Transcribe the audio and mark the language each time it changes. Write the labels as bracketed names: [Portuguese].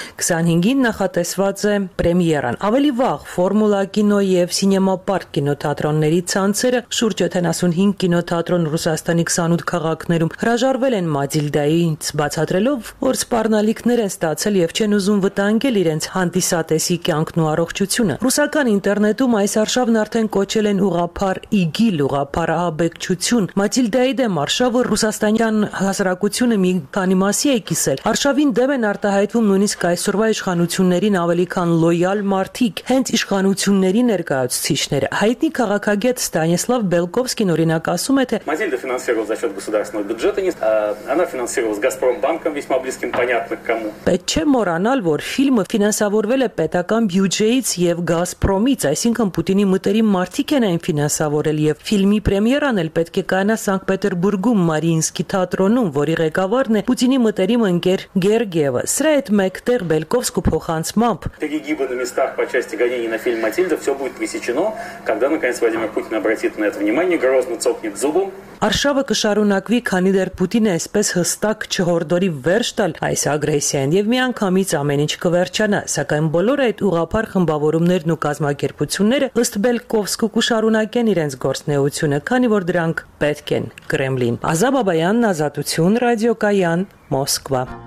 [Armenian] 25-ին նախատեսված է պրեմիերան։ Ավելի վաղ Ֆորմուլա կինո և Սինեմա Պարկ կինոթատրոնների ցանցերը, շուրջ 75 կինոթատրոն Ռուսաստանի 28 քաղաքներում, հրաժարվել են Մաթիլդայից, բացատրելով, որ սպառնալիքներ են ստացել և չեն ուզում վտանգել իրենց հանդիսատեսի կյանքն ու առողջությունը։ Ռուսական ինտերնետում այս արշավն արդեն կոչել են ուղափար իգիլ, ուղափար ահաբեկչություն։ Մաթիլդայի դեմ արշավը ռուսաստանյան հասարակության մի քանի մասի է կիսել։ Արշավին դեմ են արտահայտվում նույնիսկ այսօրվա իշխանություններին ավելի քան լոյալ մարդիկ, հենց իշխանությունների ներկայացուցիչները։ Հայտնի քաղաքագետ Ստանիսլավ Բելկովսկին օրինակ ասում է, թե [Russian] Մաթիլդա ֆինանսիրովалась за счёт государственного бюджета, не она финансировалась Газпромбанком, весьма близким, понятно кому։ [Armenian] Պետք չէ մոռանալ, որ ֆիլմը ֆինանսավորվել է պետական բյուջեից եւ Գազպրոմից, այսինքն Պուտինի մտերիմ մարդիկ են այն ֆինանսավորել, եւ ֆիլմի պրեմիերան էլ պետք է կայանա Սանկտ Պետերբուրգում Մարիինսկի թատրոնում, որի ղեկավարն է Պուտինի մտերիմ ընկեր Գերգևը։ Սրա հետ մեկտեղ Բելկովսկու փոխանցումը [Russian] Տեգի գիբոնի մեստախ по части гонений на фильм Матильда всё будет пресечено, когда наконец Владимир Путин обратит на это внимание, грозно цокнет зубом։ [Armenian] Արշավը կշարունակվի, քանի դեռ Պուտինը այսպես հստակ չհորդորի վերջ տալ այս ագրեսիան, եւ միանգամից ամեն ինչ կվերջանա, սակայն բոլոր այդ ուղափար խմբավորումներն ու կազմակերպությունները ըստ Բելկովսկու կշարունակեն իրենց գործնեությունը, քանի որ դրանք պետք են Կրեմլին։ Ազա Բաբայանն, Ազատություն ռադիոկայան, Մոսկվա։